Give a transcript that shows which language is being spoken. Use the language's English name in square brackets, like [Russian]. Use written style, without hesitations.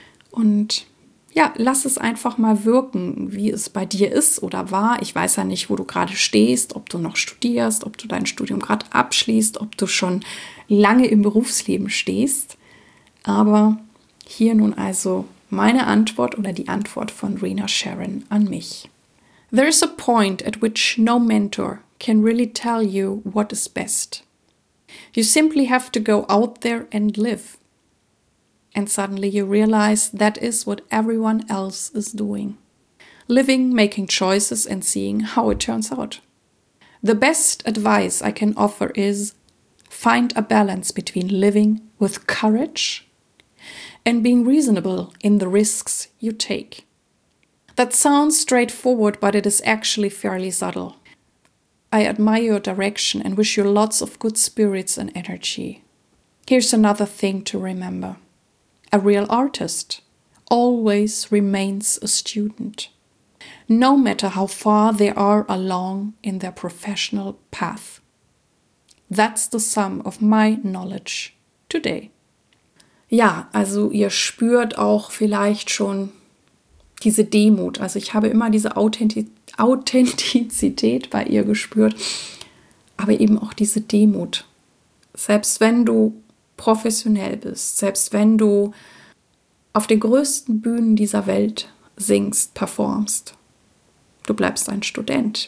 [German] Und ja, lass es einfach mal wirken, wie es bei dir ist oder war. Ich weiß ja nicht, wo du gerade stehst, ob du noch studierst, ob du dein Studium gerade abschließt, ob du schon lange im Berufsleben stehst. Aber hier nun also meine Antwort oder die Antwort von Rena Sharon an mich. [English] There is a point at which no mentor can really tell you what is best. You simply have to go out there and live. And suddenly you realize that is what everyone else is doing. Living, making choices and seeing how it turns out. The best advice I can offer is find a balance between living with courage and being reasonable in the risks you take. That sounds straightforward, but it is actually fairly subtle. I admire your direction and wish you lots of good spirits and energy. Here's another thing to remember. A real artist always remains a student, no matter how far they are along in their professional path. That's the sum of my knowledge today. [German] Ja, also ihr spürt auch vielleicht schon diese Demut. Also ich habe immer diese Authentizität bei ihr gespürt, aber eben auch diese Demut. Selbst wenn du professionell bist, selbst wenn du auf den größten Bühnen dieser Welt singst, performst, du bleibst ein Student.